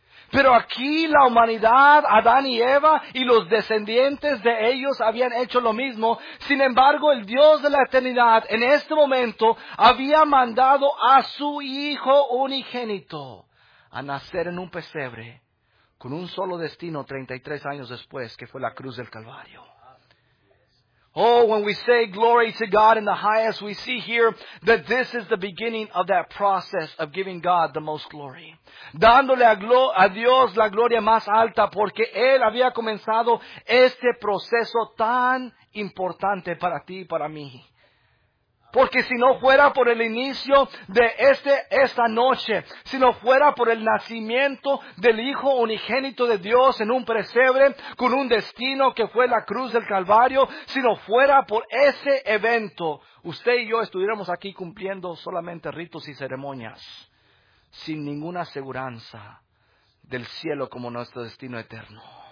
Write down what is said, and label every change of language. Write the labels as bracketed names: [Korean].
[Spanish] Pero aquí la humanidad, Adán y Eva y los descendientes de ellos habían hecho lo mismo. Sin embargo, el Dios de la eternidad en este momento había mandado a su Hijo unigénito a nacer en un pesebre con un solo destino 33 años después, que fue la cruz del Calvario. [English] Oh, when we say glory to God in the highest, we see here that this is the beginning of that process of giving God the most glory. [Spanish] Dándole a Dios la gloria más alta, porque Él había comenzado este proceso tan importante para ti y para mí. Porque si no fuera por el inicio de esta noche, si no fuera por el nacimiento del Hijo unigénito de Dios en un pesebre con un destino que fue la cruz del Calvario, si no fuera por ese evento, usted y yo estuviéramos aquí cumpliendo solamente ritos y ceremonias, sin ninguna aseguranza del cielo como nuestro destino eterno.